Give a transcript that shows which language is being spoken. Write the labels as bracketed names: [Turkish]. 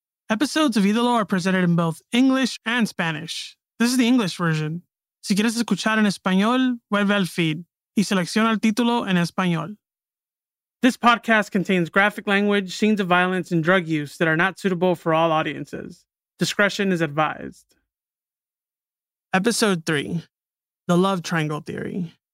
[English] Episodes of Ídolo are presented in both English and Spanish. This is the English version. [Spanish] Si quieres escuchar en español, vuelve al feed y selecciona el título en español. [English] This podcast contains graphic language, scenes of violence, and drug use that are not suitable for all audiences. Discretion is advised. Episode 3, The Love Triangle Theory.